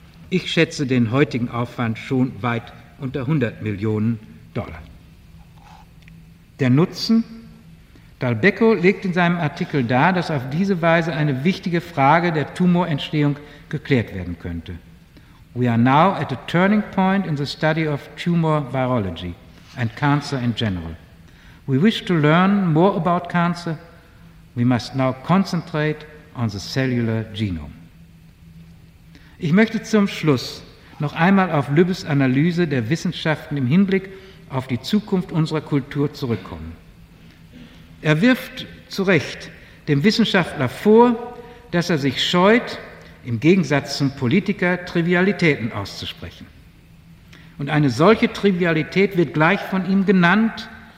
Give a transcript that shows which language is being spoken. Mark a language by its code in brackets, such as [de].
[de] Ich schätze den heutigen Aufwand schon weit unter $100 Millionen. Der Nutzen? Dal Becco legt in seinem Artikel dar, dass auf diese Weise eine wichtige Frage der Tumorentstehung geklärt werden könnte. [en] We are now at a turning point in the study of tumor virology and cancer in general. We wish to learn more about cancer. We must now concentrate on the cellular genome. [de] Ich möchte zum Schluss noch einmal auf Lübbes Analyse der Wissenschaften im Hinblick auf die Zukunft unserer Kultur zurückkommen. Er wirft zu Recht dem Wissenschaftler vor, dass er sich scheut, im Gegensatz zum Politiker, Trivialitäten auszusprechen. Und eine solche Trivialität wird gleich von ihm genannt,